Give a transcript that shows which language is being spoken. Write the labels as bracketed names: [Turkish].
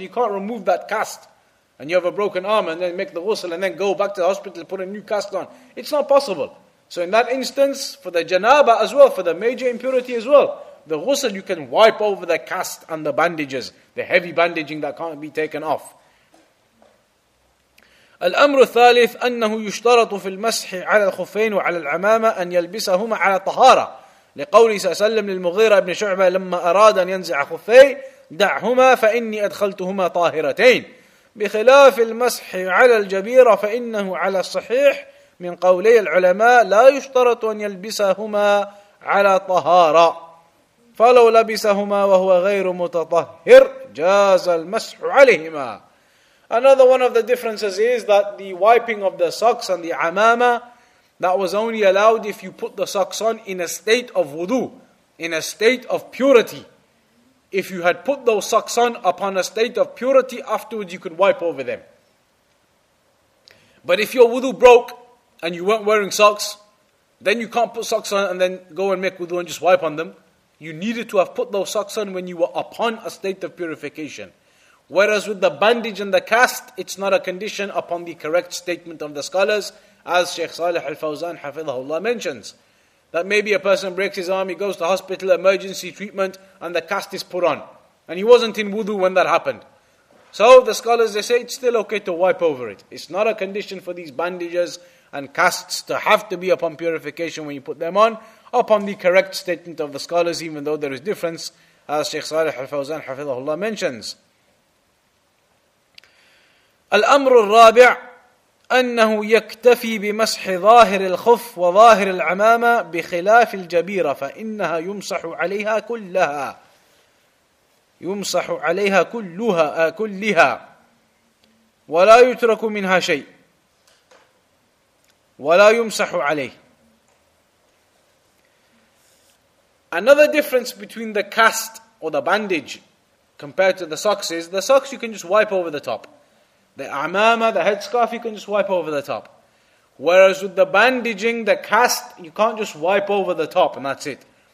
[English] You can't remove that cast. And you have a broken arm and then make the ghusl and then go back to the hospital and put a new cast on. It's not possible. So in that instance, for the janaba as well, for the major impurity as well, the ghusl, you can wipe over the cast and the bandages, the heavy bandaging that can't be taken off. [Arabic] الأمر الثالث أنه يشترط في المسح على الخفين وعلى العمامة أن يلبسهما على طهارة لقوله صلى الله عليه وسلم للمغيرة بن شعبة لما أراد أن ينزع خفيه دعهما فإني أدخلتهما طاهرتين بخلاف المسح على الجبيرة فإنه على الصحيح من قولي العلماء لا يشترط أن يلبسهما على طهارة فلو لبسهما وهو غير متطهر جاز المسح عليهما. [English] Another one of the differences is that the wiping of the socks and the amama, that was only allowed if you put the socks on in a state of wudu, in a state of purity. If you had put those socks on upon a state of purity, afterwards you could wipe over them. But if your wudu broke and you weren't wearing socks, then you can't put socks on and then go and make wudu and just wipe on them. You needed to have put those socks on when you were upon a state of purification. Whereas with the bandage and the cast, it's not a condition upon the correct statement of the scholars, as Shaykh Salih Al-Fawzan Hafidhahullah mentions. That maybe a person breaks his arm, he goes to hospital, emergency treatment, and the cast is put on. And he wasn't in wudu when that happened. So the scholars, they say it's still okay to wipe over it. It's not a condition for these bandages and casts to have to be upon purification when you put them on. Upon the correct statement of the scholars, even though there is difference, as Shaykh Salih al-Fawzan hafizahullah mentions. [Arabic] الأمر الرابع أنه يكتفي بمسح ظاهر الخف وظاهر العمامة بخلاف الجبيرة فإنها يمسح عليها كلها يمسح عليها كلها كلها ولا يترك منها شيء ولا يمسح عليه. [English] Another difference between the cast or the bandage compared to the socks is the socks you can just wipe over the top. The amama, the headscarf, you can just wipe over the top. Whereas with the bandaging, the cast, you can't just wipe over the top and that's it.